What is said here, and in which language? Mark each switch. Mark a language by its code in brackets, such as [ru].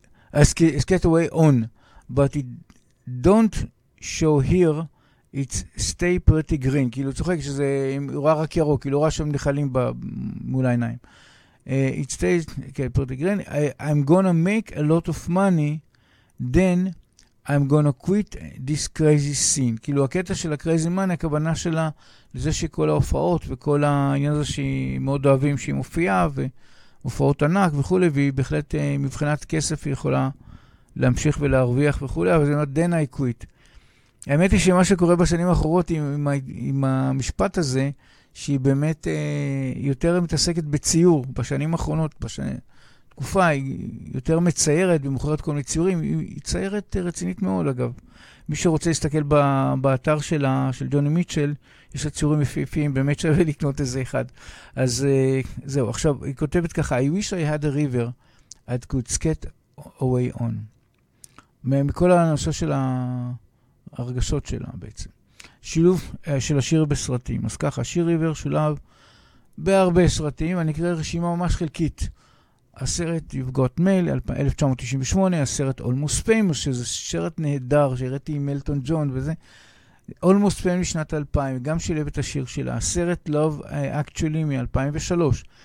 [en] Skate away on, but it don't show here, it stay pretty green. [he] כאילו צוחק שזה רואה רק ירוק, כאילו רואה שם נחלים מול העיניים. [en] It stays okay, pretty green. I'm gonna make a lot of money, then I'm gonna quit this crazy scene. [he] כאילו הקטע של הקרייזי מן, הכוונה שלה לזה שכל ההופעות וכל העניין הזה שהיא מאוד אוהבים שהיא מופיעה ו... הופעות ענק וכו', והיא בהחלט מבחינת כסף היא יכולה להמשיך ולהרוויח וכו', אבל זה אומר, [en] then I quit. [he] האמת היא שמה שקורה בשנים האחרות עם המשפט הזה, שהיא באמת יותר מתעסקת בציור בשנים האחרונות, תקופה היא יותר מציירת ומוכרת כל מיני ציורים, היא ציירת רצינית מאוד אגב. מי שרוצה להסתכל באתר שלה, של ג'וני מיטשל, יש לה ציורים מפיפים, באמת שווה לקנות איזה אחד. אז זהו, עכשיו היא כותבת ככה, [en] I wish I had a river, I could skate away on. [he] מכל הנושא של הרגשות שלה בעצם. שילוב של השיר בסרטים. אז ככה, השיר ריבר שולב בהרבה סרטים, אני אקרא רשימה ממש חלקית. הסרט You've Got Mail, 1998, הסרט Almost Famous, שזה סרט נהדר, שראיתי עם מלטון ג'ון וזה, Almost Famous משנת 2000, גם שילב את השיר שלה, הסרט Love Actually מ-2003,